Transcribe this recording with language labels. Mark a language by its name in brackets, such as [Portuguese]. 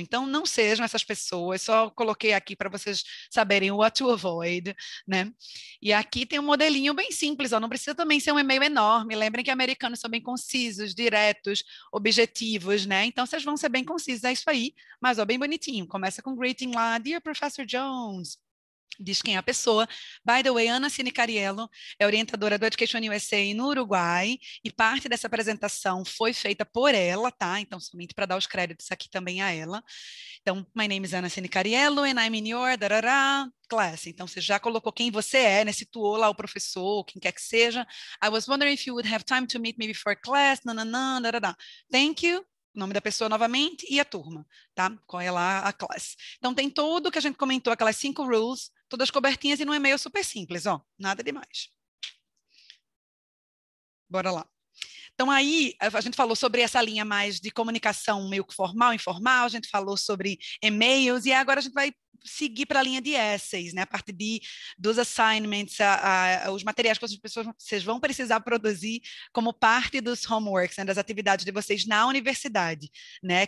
[Portuguese] Então não sejam essas pessoas, só coloquei aqui para vocês saberem what to avoid, né, e aqui tem um modelinho bem simples, ó, não precisa também ser um e-mail enorme, lembrem que americanos são bem concisos, diretos, objetivos, né, então vocês vão ser bem concisos, é isso aí, mas ó, bem bonitinho, começa com greeting lá, Dear Professor Jones, diz quem é a pessoa. By the way, Ana Cine Cariello é orientadora do Education USA no Uruguai e parte dessa apresentação foi feita por ela, tá? Então, somente para dar os créditos aqui também a ela. [English] Então, my name is Ana Cine Cariello and I'm in your darará, class. [Portuguese] Então, você já colocou quem você é, né? Situou lá o professor, quem quer que seja. [English] I was wondering if you would have time to meet me before class. Nananã, darará. Thank you. [Portuguese] O nome da pessoa novamente e a turma, tá? Qual é lá a classe. Então, tem tudo que a gente comentou, aquelas 5 rules, todas cobertinhas e num e-mail super simples, ó. Nada demais. Bora lá. Então, aí, a gente falou sobre essa linha mais de comunicação meio que formal, informal, a gente falou sobre e-mails, e agora a gente vai seguir para a linha de essays, né? A parte dos assignments, os materiais que vocês vão precisar produzir como parte dos homeworks, né? Das atividades de vocês na universidade, né?